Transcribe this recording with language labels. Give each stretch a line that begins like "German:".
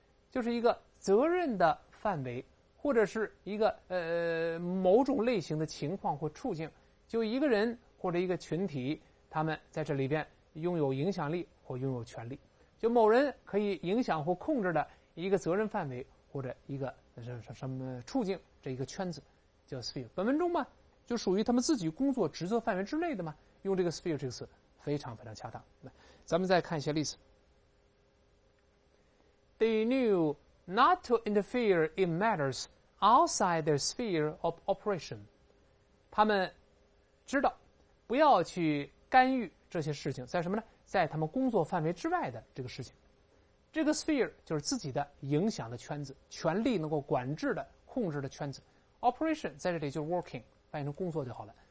Chinese: 就是一个责任的范围，或者是一个某种类型的情况或处境，就一个人或者一个群体，他们在这里边拥有影响力或拥有权力，就某人可以影响或控制的一个责任范围或者一个什么处境，这一个圈子叫 sphere。本文中嘛，就属于他们自己工作职责范围之内的嘛，用这个 sphere 这个词非常非常恰当。咱们再看一些例子。
English: They knew not to interfere in matters outside their sphere of operation.
Chinese: 他们知道不要去干预这些事情，在什么呢？在他们工作范围之外的这个事情。这个 sphere 就是自己的影响的圈子，权力能够管制的、控制的圈子。 Operation 在这里就是 working， 翻译成工作就好了。